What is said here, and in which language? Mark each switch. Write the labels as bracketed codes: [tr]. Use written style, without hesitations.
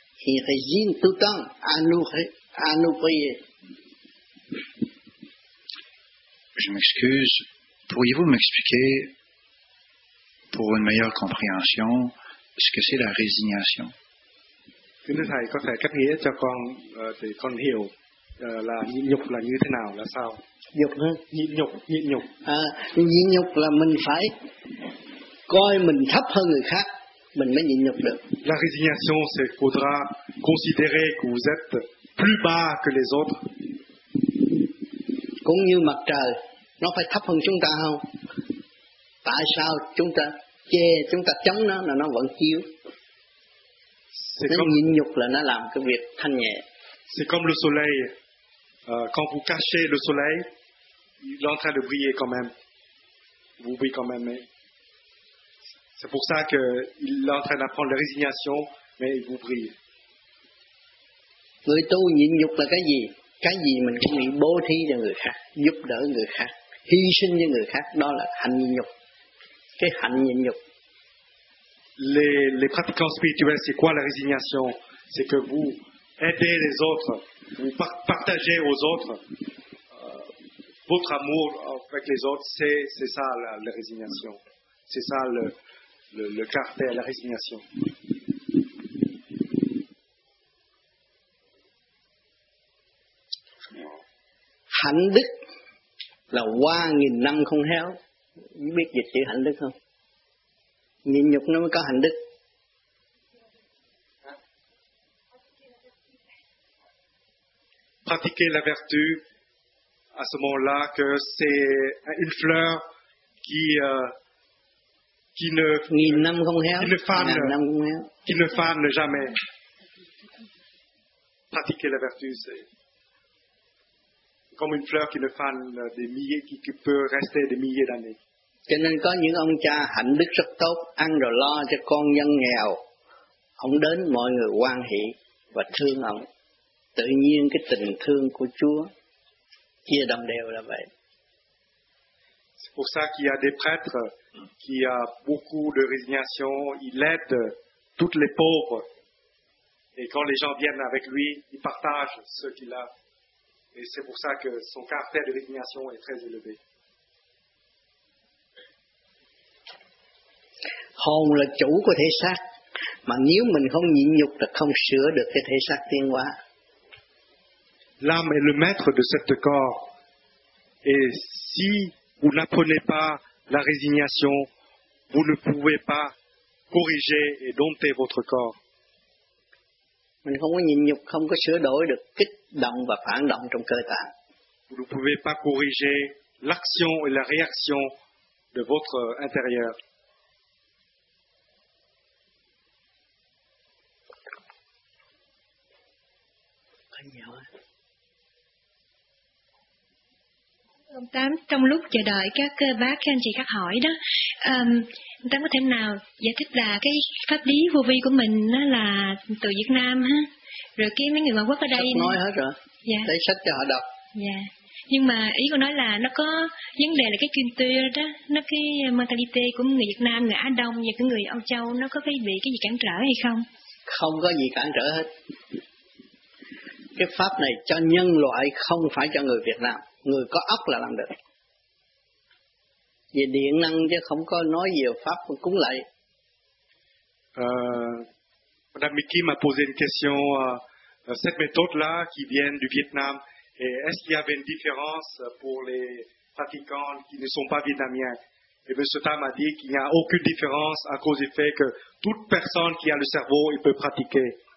[fr] Il résigne tout le temps à nous prier. Je m'excuse. Pourriez-vous m'expliquer, pour une meilleure compréhension, ce que c'est la résignation? [vi] Thưa thầy, có thể cách nghĩa cho con thì con hiểu là nhịn nhục là như thế nào, là sao? Nhục hả? Nhịn nhục. Nhịn nhục là mình phải coi mình thấp hơn người khác, mình mới nhịn nhục được. [fr] La résignation, c'est faudra considérer que vous êtes plus bas que les autres. [vi] Cũng như mặt trời, nó phải thấp hơn chúng ta không? Tại sao chúng ta chê, chúng ta chống nó là nó vẫn chiếu? [fr] C'est comme le soleil. Quand vous cachez le soleil, il est en train de briller quand même. Vous brillez quand même. Mais c'est pour ça qu'il est en train d'apprendre la résignation, mais il vous brille. [vi] Người tu nhịn nhục là cái gì? Cái gì mình cũng bị bố thí cho người khác, giúp đỡ người khác, hy sinh cho người khác, đó là hạnh nhịn nhục. Cái hạnh nhịn nhục. [fr] Les pratiquants spirituels, c'est quoi la résignation? C'est que vous aidez les autres, vous partagez aux autres votre amour avec les autres, c'est ça la résignation. C'est ça le caractère, la résignation. [vi] Hạnh đức là qua nghìn năm không héo. Biết dịch chữ hạnh đức không? Nhịn nhục nó mới có hạnh đức. [fr] Pratiquer la vertu à ce moment-là, que c'est une fleur qui ne fane jamais. Pratiquer la vertu, c'est comme une fleur qui ne fane des milliers, qui peut rester des milliers d'années. [vi] Cho nên có những ông cha hạnh đức rất tốt, ăn rồi lo cho con dân nghèo. Ông đến mọi người hoan hỷ và thương ông. Tự nhiên cái tình thương của Chúa chia đồng đều là vậy. [fr] C'est pour ça qu'il y a des prêtres qui a beaucoup de résignation. Il aide toutes les pauvres. Et quand les gens viennent avec lui, il partage ce qu'il a. Et c'est pour ça que son caractère de résignation est très élevé. [vi] Hồn là chủ của thể xác, mà nếu mình không nhịn nhục là không sửa được cái thể xác tiến hóa. [fr] L'âme est le maître de cette corps, Et si vous n'apprenez pas la résignation, vous ne pouvez pas corriger et dompter votre corps. [vi] Mình không có nhịn nhục, không có sửa đổi được kích động và phản động trong cơ thể. [fr] Vous ne pouvez pas corriger l'action et la réaction de votre intérieur. [vi] Ông Tám, trong lúc chờ đợi các bác, các anh chị các hỏi đó, ông Tám có thể nào giải thích là cái pháp lý vô vi của mình nó là từ Việt Nam ha, rồi cái mấy người ngoại quốc ở đây nói hết rồi, yeah. Lấy sách cho họ đọc. Yeah. Nhưng mà ý của nói là nó có vấn đề là cái kim tư đó, nó cái mentality của người Việt Nam, người Á Đông và cái người Âu Châu, nó có bị cái gì cản trở hay không? Không có gì cản trở hết. Cái pháp này cho nhân loại, không phải cho người Việt Nam. Người có óc là làm được. Về điện năng chứ không có nói về pháp cúng lạy. [fr] Madame Mickey m'a posé une question. Cette méthode-là qui vient du Vietnam, et est-ce qu'il y avait une différence pour les pratiquants qui ne sont pas vietnamiens? Et M. Tam a dit qu'il n'y a aucune différence à cause du fait que toute personne qui a le cerveau, il peut pratiquer.